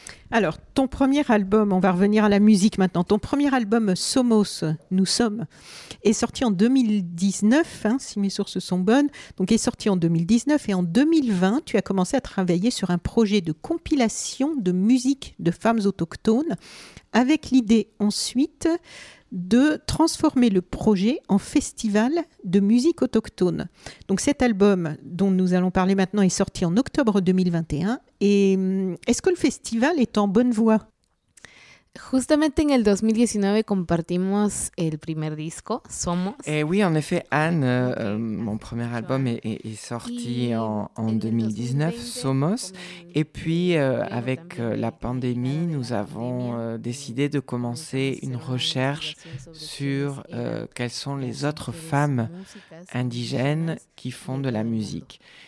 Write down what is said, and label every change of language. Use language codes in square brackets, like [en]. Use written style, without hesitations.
[fr] Alors, ton premier album, on va revenir à la musique maintenant, ton premier album Somos, Nous Sommes, est sorti en 2019, hein, si mes sources sont bonnes, donc est sorti en 2019, et en 2020, tu as commencé à travailler sur un projet de compilation de musique de femmes autochtones, avec l'idée ensuite de transformer le projet en festival de musique autochtone. Donc cet album dont nous allons parler maintenant est sorti en octobre 2021. Et est-ce que le festival est en bonne voie? [es] Justamente en 2019 compartimos el primer disco, Somos. [fr] Et oui, en effet, Anne, mon premier album est sorti en 2019, Somos. Et puis, avec la pandémie, nous avons décidé de commencer une recherche sur quelles sont les autres femmes indigènes qui font de la musique.